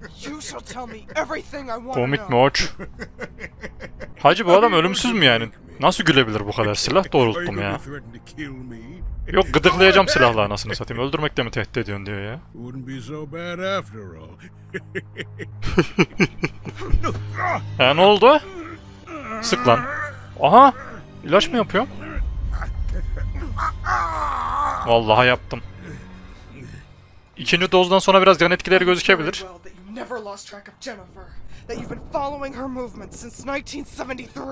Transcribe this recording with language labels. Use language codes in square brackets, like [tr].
[en] You shall tell me everything I want to know. [tr] Komik mi oç? Hacı bu adam ölümsüz mü yani? Nasıl gülebilir bu kadar silah doğrulttum ya? Yok, gıdıklayacağım silahları anasını satayım. Öldürmekle mi tehdit ediyorsun diyor ya. [en] Wouldn't be so bad after all. [tr] Ha, ne oldu? Sık lan. Aha! İlaç mı yapıyorum? Vallahi yaptım. İkinci dozdan sonra biraz yan etkileri gözükebilir. [en] Never lost track of Jennifer, that you've been following her movements since 1973.